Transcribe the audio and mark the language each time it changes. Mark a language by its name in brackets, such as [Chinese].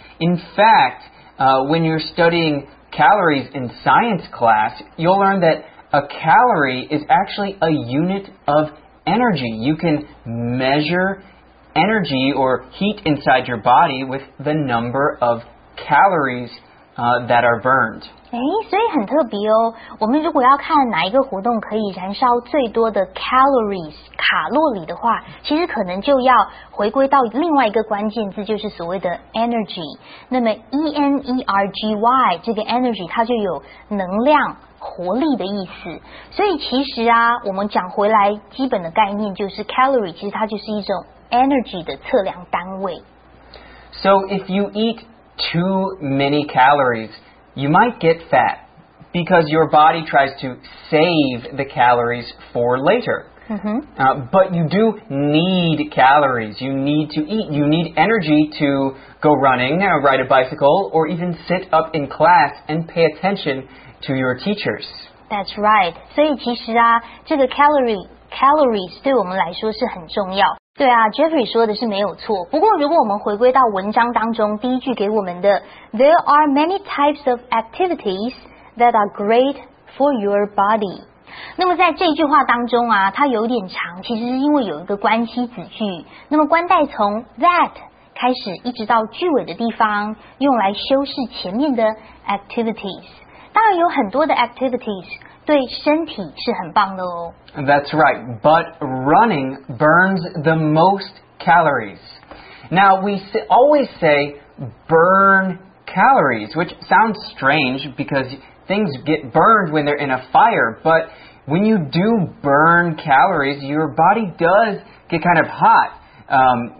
[English] In fact, when you're studying calories in science class, you'll learn that a calorie is actually a unit of energy. You can measure energy or heat inside your body with the number of calories, that are burned. [Chinese] 诶，所以很特别哦。我们如果要看哪一个活动可以燃烧最多的 calories 卡路里的话，其实可能就要回归到另外一个关键字，就是所谓的 energy。那么 energy 这个 energy 它就有能量、活力的意思。所以其实啊，我们讲回来基本的概念就是 calorie， 其实它就是一种energy 的测量单位。 [English] So if you eat too many calories, you might get fat because your body tries to save the calories for later. But you do need calories. You need to eat. You need energy to go running, ride a bicycle, or even sit up in class and pay attention to your teachers. That's right. [Chinese] 所以其实啊，这个 calories 对我们来说是很重要。对啊 ，Jeffrey 说的是没有错。不过，如果我们回归到文章当中第一句给我们的 [English] ，There are many types of activities that are great for your body。 [Chinese] 那么在这句话当中啊，它有点长，其实是因为有一个关系子句。那么冠带从 that 开始一直到句尾的地方，用来修饰前面的 activities。当然有很多的 activities。对身体是很棒的哦。 [English] That's right, but running burns the most calories. Now, we always say burn calories, which sounds strange because things get burned when they're in a fire, but when you do burn calories, your body does get kind of hot.